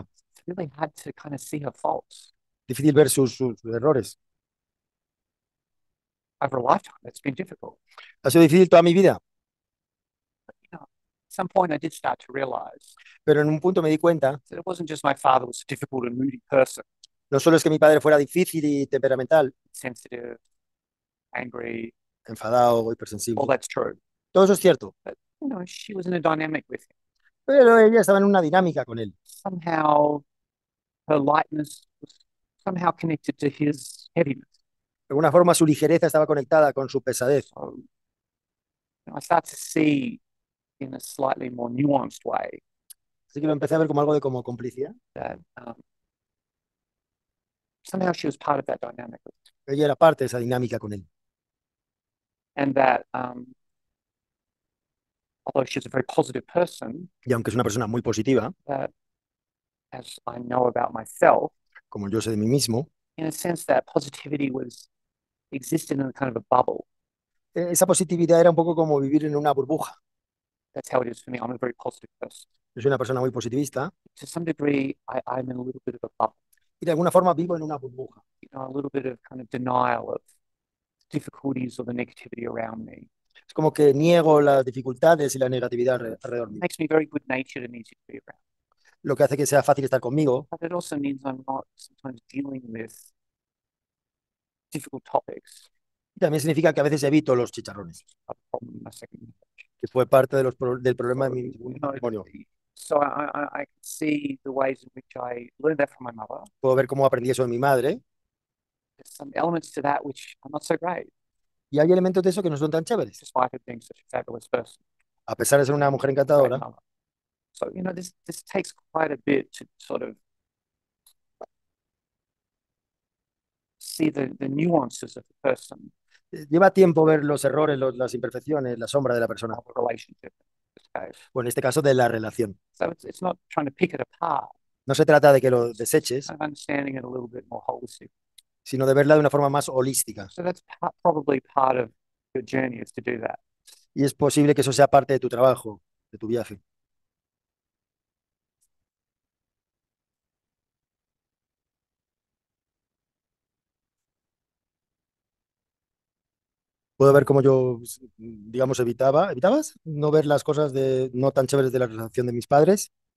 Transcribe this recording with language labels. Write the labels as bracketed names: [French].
[English] It's really hard to kind of see her faults. [Spanish] Difícil ver sus errores. [English] Over a lifetime, it's been difficult. [Spanish] Ha sido difícil toda mi vida. [English] But, you know, at some point, I did start to realize. [Spanish] Pero en un punto me di cuenta. [English] That it wasn't just my father was a difficult and moody person. [Spanish] No solo es que mi padre fuera difícil y temperamental. [English] Sensitive, angry. [Spanish] Enfadado, hipersensible. [English] All that's true. [Spanish] Todo eso es cierto. [English] But, you know, she was in a dynamic with him. [Spanish] Pero ella estaba en una dinámica con él. [English] Somehow, her lightness was somehow connected to his heaviness. [Spanish] De alguna forma, su ligereza estaba conectada con su pesadez. [English] So, you know, I start to see in a slightly more nuanced way. [Spanish] Así que lo empecé a ver como algo de como complicidad. [English] That, somehow she was part of that dynamic. [Spanish] Ella era parte de esa dinámica con él. [English] And that, although she's a very positive person, [Spanish] y aunque es una persona muy positiva, [English] that, as I know about myself, [Spanish] como yo sé de mí mismo, [English] in a sense that positivity was existing in a kind of a bubble. [Spanish] Esa positividad era un poco como vivir en una burbuja. [English] That's how it is for me. I'm a very positive person. [Spanish] Yo soy una persona muy positivista. [English] To some degree, I'm in a little bit of a bubble. [Spanish] Y de alguna forma vivo en una burbuja. [English] You know, a little bit of kind of denial of difficulties or the negativity around me. [Spanish] Es como que niego las dificultades y la negatividad alrededor mío. [English] Makes me very good natured and easy to be around. [Spanish] Lo que hace que sea fácil estar conmigo. [English] But it also means I'm not sometimes dealing with difficult topics. [Spanish] Y también significa que a veces evito los chicharrones. [English] A problem in my second marriage. [Spanish] Que fue parte de los del problema de mi matrimonio. [English] So I can see the ways in which I learned that from my mother. [Spanish] Puedo ver cómo aprendí eso de mi madre. [English] There's some elements to that which are not so great. [Spanish] Y hay elementos de eso que no son tan chéveres. [English] Despite being such a fabulous person. [Spanish] A pesar de ser una mujer encantadora. [English] So, you know, this takes quite a bit to sort of see the nuances of the person. [Spanish] Lleva tiempo ver los errores, las imperfecciones, la sombra de la persona. [English] Of a relationship. [Spanish] O en este caso de la relación. [English] So it's not trying to pick it apart. [Spanish] No se trata de que lo deseches, [English] kind of understanding it a little bit more holistic. [Spanish] Sino de verla de una forma más holística. [English] So that's probably part of your journey is to do that. [Spanish] Y es posible que eso sea parte de tu trabajo, de tu viaje. Puedo ver cómo yo, digamos, evitabas no ver las cosas de no tan chéveres de la relación de mis padres.